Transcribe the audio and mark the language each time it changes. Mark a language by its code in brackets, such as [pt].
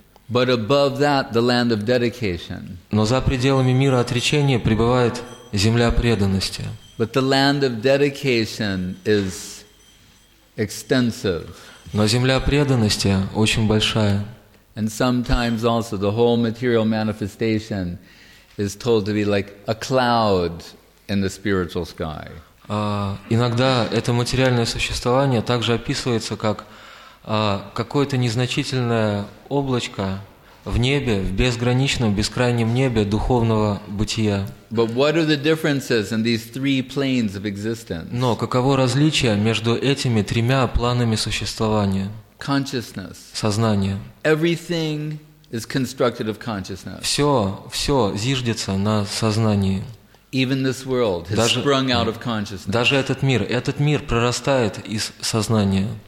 [en] But above that, the land of dedication. [ru] Но за пределами мира отречения пребывает земля преданности. [en] But the land of dedication is extensive. [ru] Но земля преданности очень большая. [en] And sometimes also the whole material manifestation is told to be like a cloud in the spiritual sky. [ru] Иногда это материальное существование также описывается как какое-то незначительное облачко в небе, в безграничном, бескрайнем небе духовного бытия. [en] But what are the differences in these three planes of existence? [ru] Но каково различие между этими тремя планами существования? [en] Consciousness. [ru] Сознание. [en] Everything is constructed of consciousness. [ru] Все зиждется на сознании. [en] Even this world has sprung out of consciousness. [ru] Даже этот мир прорастает из сознания.